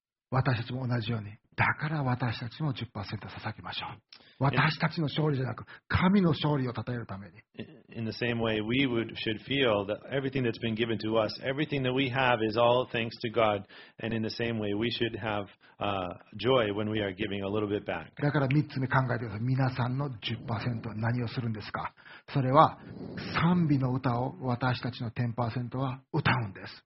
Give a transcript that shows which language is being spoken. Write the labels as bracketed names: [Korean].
[Japanese] 私たちも同じように。だから私たちも 10% 捧げましょう。私たちの勝利じゃなく、神の勝利を称えるために。 [English] In the same way, we should feel that everything that's been given to us, everything that we have is all thanks to God. And in the same way, we should have joy when we are giving a little bit back. [Japanese] だから3つ目考えてください。皆さんの 10% は何をするんですか？それは賛美の歌を私たちの 10% は歌うんです。